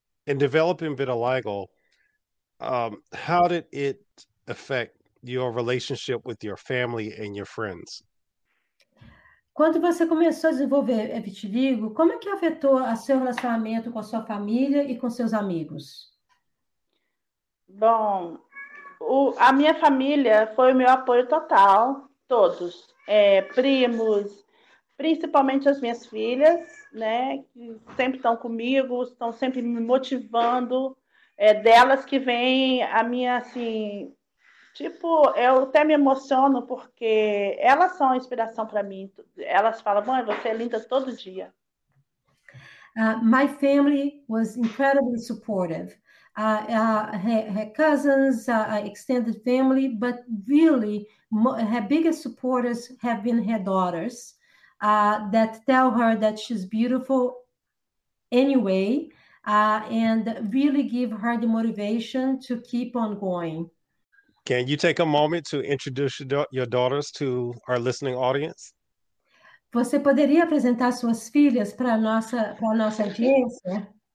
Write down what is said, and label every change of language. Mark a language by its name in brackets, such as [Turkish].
[English] In developing vitiligo, how did it affect your relationship with your family and your friends? [Portuguese] Quando você começou a desenvolver vitiligo, como é que afetou o seu relacionamento com a sua família e com seus amigos? Bom, a minha família foi o meu apoio total, todos, primos, principalmente as minhas filhas, né, que sempre estão comigo, estão sempre me motivando, delas que vem a minha, assim, tipo, eu até me emociono porque elas são a inspiração para mim. Elas falam, mãe, você é linda todo dia. [English] My family was incredibly supportive. Her cousins, extended family, but really her biggest supporters have been her daughters, that tell her that she's beautiful anyway, and really give her the motivation to keep on going. Can you take a moment to introduce your daughters to our listening audience? [Portuguese] Você poderia apresentar suas filhas para a nossa audiência?